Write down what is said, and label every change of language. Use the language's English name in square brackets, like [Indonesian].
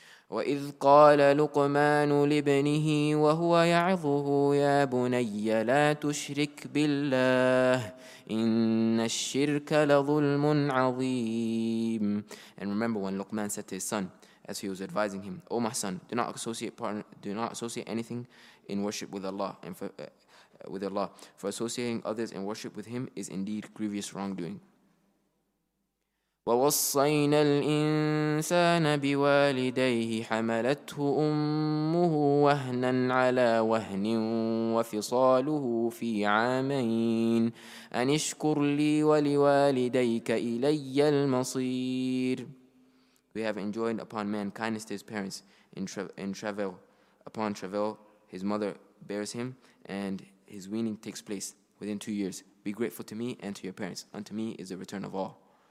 [Arabic] وَإِذْ قَالَ لُقْمَانُ لِبْنِهِ وَهُوَ يَعِظُهُ يَا بُنَيَّ لَا تُشْرِكْ بِاللَّهِ إِنَّ الشِّرْكَ لَظُلْمٌ عَظِيمٌ. [English] And remember when Luqman said to his son, as he was advising him, O my son, do not associate anything in worship with Allah and with Allah, for associating others in worship with Him is indeed grievous wrongdoing. [Arabic] ووصينا الإنسان بوالديه حملته أمه وهنا على وهن وفصاله في عامين أن اشكر لي ولوالديك إلي المصير. [English] We have enjoined upon man kindness to his parents in travel. Upon travel, his mother bears him and his weaning takes place within 2 years. Be grateful to me and to your parents. Unto me is the return of all.